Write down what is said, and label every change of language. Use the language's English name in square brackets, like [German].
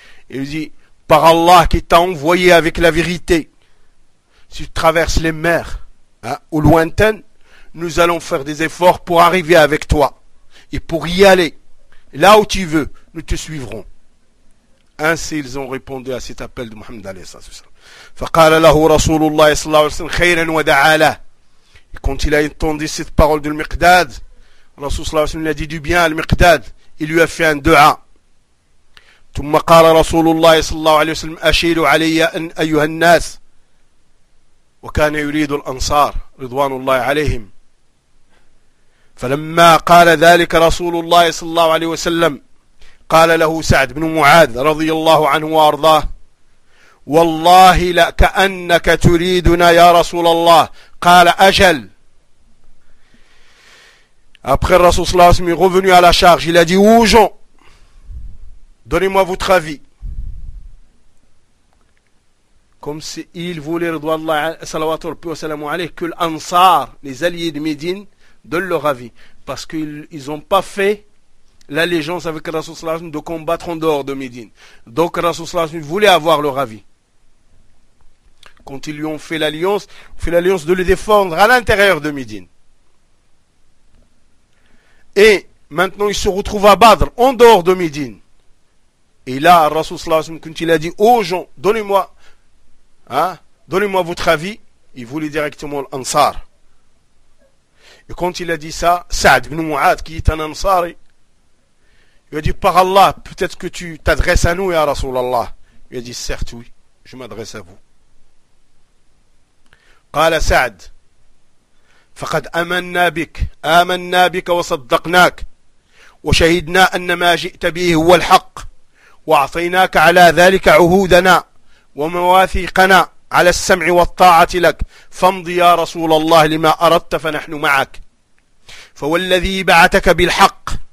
[French] Il dit, par Allah qui t'a envoyé avec la vérité, si tu traverses les mers, hein, ou lointaines, nous allons faire des efforts pour arriver avec toi, et pour y aller, là où tu veux, nous te suivrons. Ainsi, ils ont répondu à cet appel de Mohammed [Arabic] alayhi salatu wa sallam. فقال له رسول الله صلى الله عليه وسلم خيرا ودعا له. [French] Quand il a entendu cette parole du Miqdad, Rasoul [Arabic] صلى الله عليه وسلم [French] l'a dit du bien à Miqdad. Il lui a fait un dua. [Arabic] ثم قال رسول الله صلى الله عليه وسلم أشير علي أن أيها الناس وكان يريد الأنصار رضوان الله عليهم. فلما قال ذلك رسول الله صلى الله عليه وسلم قال له سعد بن معاذ رضي الله عنه وأرضاه والله لا كأنك تريدنا يا رسول الله قال أجل. [French] Après Rasoul [Arabic] صلى الله عليه وسلم [French] est revenu à la charge, il a dit aux gens, donnez-moi votre avis. Comme s'il voulait [Arabic] Ridwanullah salawatu wa salam alayhi [French] que l'Ansar, les alliés de Médine, donnent leur avis. Parce qu'ils n'ont pas fait l'allégeance avec Rasoul [Arabic] صلى الله عليه وسلم [French] de combattre en dehors de Médine. Donc Rasoul [Arabic] صلى الله عليه وسلم [French] voulait avoir leur avis. Quand ils lui ont fait l'alliance de le défendre à l'intérieur de Médine. Et maintenant, il se retrouve à Badr, en dehors de Médine. Et là, Rasoul [Arabic] صلى الله عليه وسلم, [French] quand il a dit, oh gens, donnez-moi, hein, donnez-moi votre avis, il voulait directement l'Ansar. Et quand il a dit ça, Saad ibn Mu'ad, qui est un Ansari, il a dit, par Allah, peut-être que tu t'adresses à nous et à Rasoul Allah. Il a dit, certes, oui, je m'adresse à vous. [Arabic] قال سعد فقد آمنا بك وصدقناك وشهدنا أن ما جئت به هو الحق وأعطيناك على ذلك عهودنا ومواثيقنا على السمع والطاعة لك فامض يا رسول الله لما أردت فنحن معك فوالذي بعثك بالحق